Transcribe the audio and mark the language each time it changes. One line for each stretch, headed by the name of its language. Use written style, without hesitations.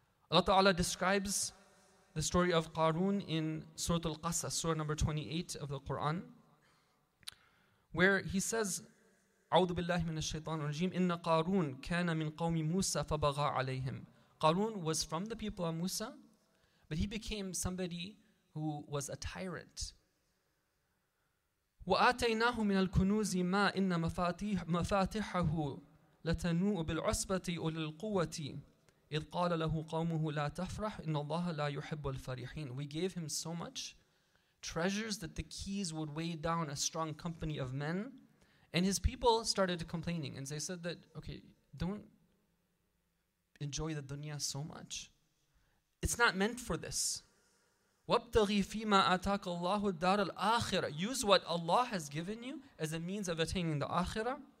English: Allah Ta'ala describes the story of Qarun in Surah Al-Qasas, Surah number 28 of the Quran, where he says,
Arabic: أعوذ بالله من الشيطان الرجيم إن قارون كان من قوم موسى فبغى عليهم.
English: Qarun was from the people of Musa, but he became somebody who was a tyrant.
Arabic: وآتيناه من الكنوز ما إن مفاتيحه لتنوء بالعصبة أولي القوة إذ قال له قومه لا تفرح إن الله لا يحب الفرحين.
English: We gave him so much treasures that the keys would weigh down a strong company of men. And his people started complaining, and they said that, okay, don't enjoy the dunya so much. It's not meant for this.
Arabic: وَابْتَغِي فِي مَا أَتَاكَ اللَّهُ الدَّارَ الْآخِرَةِ
English: Use what Allah has given you as a means of attaining the akhirah.